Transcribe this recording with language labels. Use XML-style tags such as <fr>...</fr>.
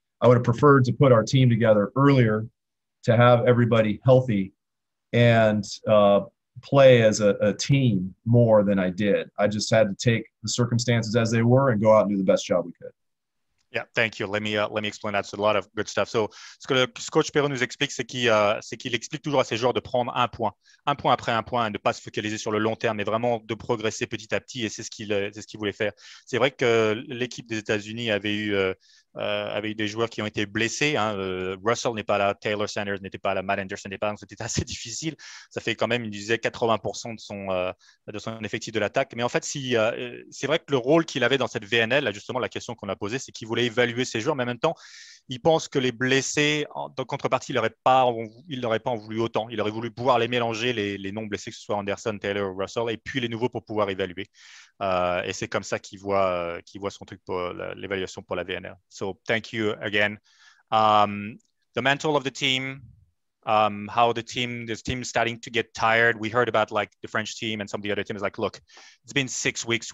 <en>I would have preferred to put our team together earlier to have everybody healthy and play as a team more than I did. I just had to take the circumstances as they were and go out and do the best job we could. Yeah, thank you. Let me explain that. So a lot of good stuff.</en> <fr>So ce que le coach Perron nous explique, c'est qu'il explique toujours à ses joueurs de prendre un point après un point, et de ne pas se focaliser sur le long terme, mais vraiment de progresser petit à petit. Et c'est ce qu'il voulait faire. C'est vrai que l'équipe des États-Unis avait eu des joueurs qui ont été blessés. Hein. Russell n'est pas là, Taylor Sanders n'était pas là, Matt Anderson n'était pas là. Donc c'était assez difficile. Ça fait quand même, il disait, 80% de son effectif de l'attaque. Mais en fait, c'est vrai que le rôle qu'il avait dans cette VNL, là, justement, la question qu'on a posée, c'est qu'il voulait évaluer ses joueurs, mais en même temps, il pense que les blessés, en contrepartie, il n'aurait pas en voulu autant. Il aurait voulu pouvoir les mélanger, les non-blessés, que ce soit Anderson, Taylor ou Russell, et puis les nouveaux pour pouvoir évaluer. Et c'est comme ça qu'il voit son truc pour l'évaluation pour la VNL.</fr> <en>So, thank you again. The mantle of the team, how the team, this team is starting to get tired. We heard about like the French team and some of the other teams. Like, look, it's been 6 weeks.</en>